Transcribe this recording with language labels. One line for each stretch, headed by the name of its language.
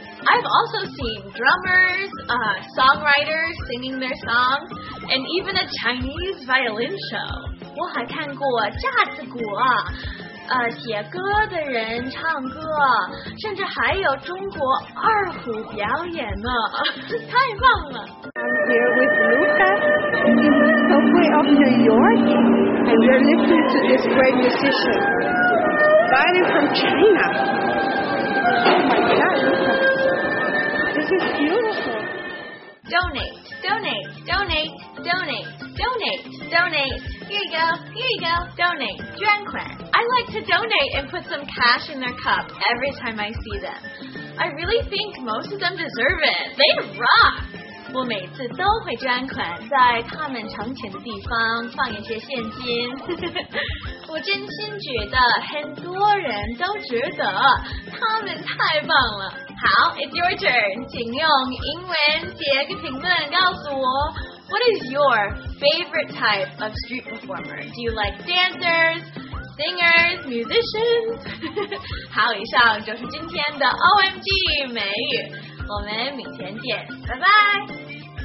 English: I've also seen drummers, songwriters singing their songs, and even a Chinese violin show.
Chinese: 我还看过架子鼓啊，写歌的人唱歌，甚至还有中国二胡表演呢，太棒了。
English: I'm here with Luca, in the subway of New York, and you're listening to this great musician, Biden from China. Oh my God, Luca, this is beautiful. Donate, donate, donate, donate, donate, donate. Here you go, here you go. Donate,
Chinese: 捐款.
English: I like to donate and put some cash in their cup every time I see them. I really think most of them deserve it. They rock.
Chinese: 我每次都会捐款，在他们成群的地方放一些现金。我真心觉得很多人都值得，他们太棒了。好 ，
English: It's your turn，
Chinese: 请用英文写个评论告诉我。
English: What is your favorite type of street performer? Do you like dancers, singers, musicians?
Chinese: 好，以上就是今天的 OMG 美语。我们明天见，拜拜。